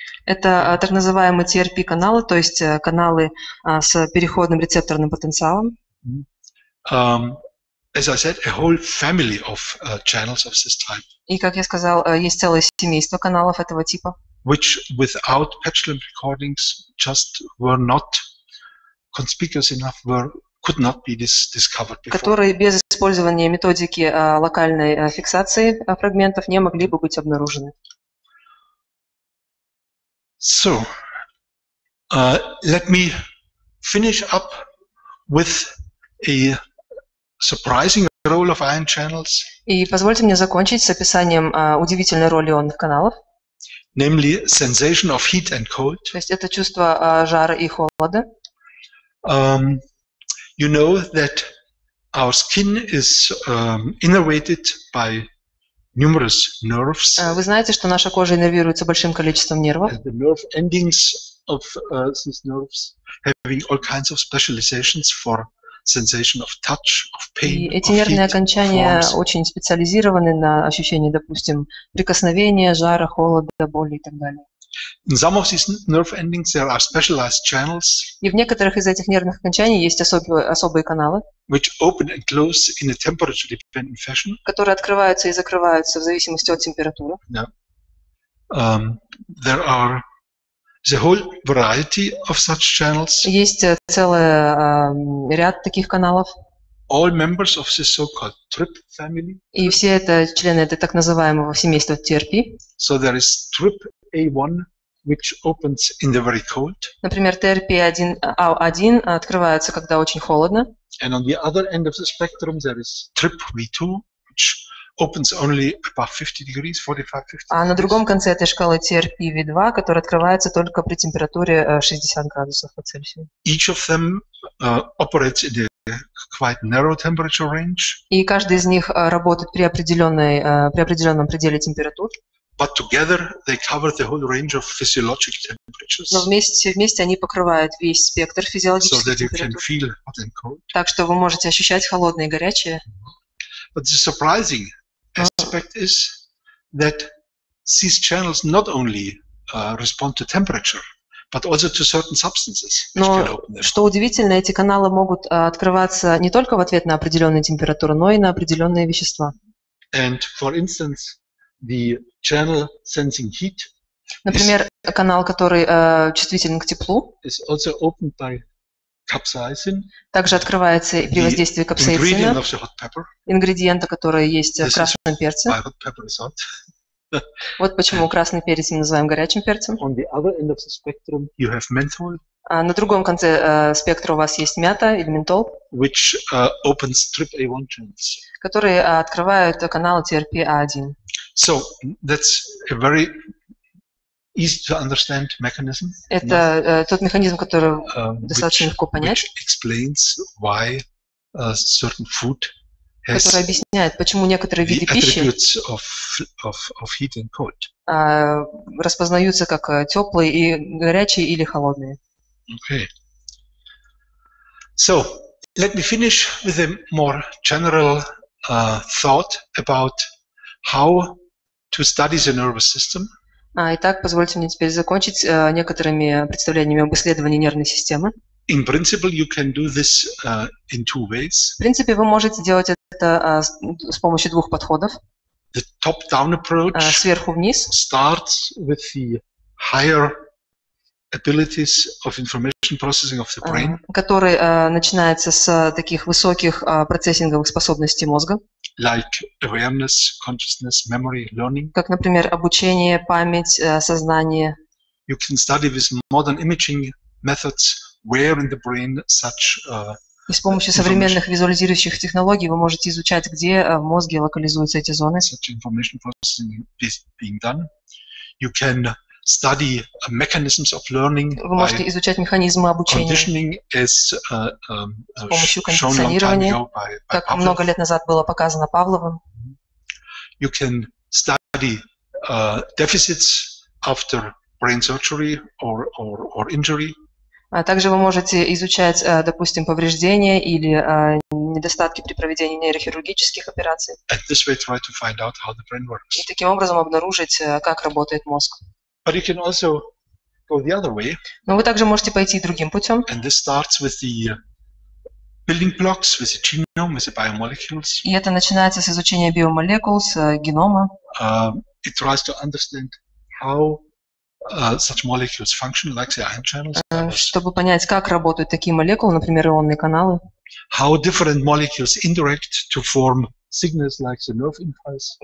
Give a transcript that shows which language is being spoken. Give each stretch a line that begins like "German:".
Russian: Это так называемые TRP каналы, то есть каналы с переходным рецепторным потенциалом.
English: As I said, a whole family of channels of this type.
Russian: И как я сказал, есть целое семейство каналов этого типа.
English: Which without patch limb recordings just were not conspicuous enough, could not be discovered before.
Russian: Которые без использования методики локальной фиксации фрагментов не могли бы быть обнаружены.
English: So, let me finish up with a surprising role of ion channels.
Russian: И позвольте мне закончить с описанием удивительной роли ионных каналов.
English: Namely, sensation of heat and cold.
Russian: То есть это чувство жара и холода.
English: You know that our skin is innervated by numerous nerves.
Russian: Вы знаете, что наша кожа иннервируется большим количеством нервов.
English: And the nerve endings of these nerves having all kinds of specializations for sensation of touch, of pain,
Russian: и эти нервные окончания очень специализированы на ощущении, допустим, прикосновения, жара, холода, боли и так далее.
English: In some of these nerve endings there are specialized channels.
Russian: И в некоторых из этих нервных окончаний есть особые каналы,
English: which open and close in a temperature-dependent fashion.
Russian: Которые открываются и закрываются в зависимости от температуры.
English: Yeah. there are the whole variety of such channels.
Russian: Есть целый ряд таких каналов.
English: All members of the so-called TRP family.
Russian: И все это члены этой так называемого семейства TRP.
English: So there is TRP A1, which opens in the very cold.
Russian: Например, TRP A1 открывается, когда очень холодно.
English: And on the other end of the spectrum, there is TRP V2, which opens only above 50 degrees, 45-50.
Russian: А на другом конце этой шкалы TRP V2, которая открывается только при температуре 60 градусов по Цельсию.
English: Each of them operates in a quite narrow temperature range.
Russian: И каждый из них работает при определенной, при определенном пределе температур.
English: But together they cover the whole range of physiologic temperatures.
Russian: Но вместе они покрывают весь спектр физиологических температур.
English: So that you can feel hot and cold.
Russian: Так что вы можете ощущать холодное и горячее.
English: But the surprising aspect is that these channels not only respond to temperature, but also to certain substances which can open them.
Russian: Что удивительно, эти каналы могут открываться не только в ответ на определенные температуры, но и на определенные вещества.
English: And for instance, the channel sensing heat.
Russian: Например, канал, который чувствителен к теплу.
English: Is also opened by capsaicin.
Russian: Также открывается при воздействии капсаицина.
English: Ingredient of the hot pepper.
Russian: Ингредиента, который есть в красном перце.
English: This is why hot pepper is hot.
Russian: Вот почему красный перец мы называем горячим перцем.
English: On the other end of the spectrum, you have menthol.
Russian: На другом конце спектра у вас есть мята или ментол,
English: which opens TRP A1 channels.
Russian: Которые открывают каналы TRP A1.
English: So that's a very easy to understand mechanism.
Russian: Это тот механизм, который достаточно легко понять.
English: Which explains why certain food has.
Russian: Который объясняет, почему некоторые виды пищи.
English: The attributes of heat and cold.
Russian: Распознаются как теплые и горячие или холодные.
English: Okay. So let me finish with a more general thought about how to study the nervous system.
Russian: Итак, позвольте мне теперь закончить некоторыми представлениями об исследовании нервной системы.
English: In principle, you can do this in two ways.
Russian: В принципе, вы можете делать это с помощью двух подходов.
English: The top-down approach.
Russian: Сверху вниз.
English: Starts with the higher abilities of information processing of the brain.
Russian: Который начинается с таких высоких процессинговых способностей мозга.
English: Like awareness, consciousness, memory, learning.
Russian: Как, например, обучение, память, сознание.
English: You can study with modern imaging methods where in the brain such
Russian: И с помощью современных визуализирующих технологий вы можете изучать, где в мозге локализуются эти зоны.
English: Such information processing is being done. You can study mechanisms of learning.
Russian: Вы можете изучать механизмы обучения.
English: Conditioning is
Russian: с помощью кондиционирования, как много лет назад было показано Павловым.
English: You can study deficits after brain surgery or injury.
Russian: Также вы можете изучать, допустим, повреждения или недостатки при проведении нейрохирургических операций.
English: And this way try to find out how the brain works.
Russian: И таким образом обнаружить, как работает мозг.
English: But you can also go the other way.
Russian: Но вы также можете пойти другим путем.
English: And this starts with the building blocks, with the genome, with the biomolecules.
Russian: И это начинается с изучения биомолекул, с генома.
English: It tries to understand how such molecules function, like the ion channels.
Russian: Чтобы понять, как работают такие молекулы, например, ионные каналы.
English: How different molecules interact to form signals like the nerve impulse.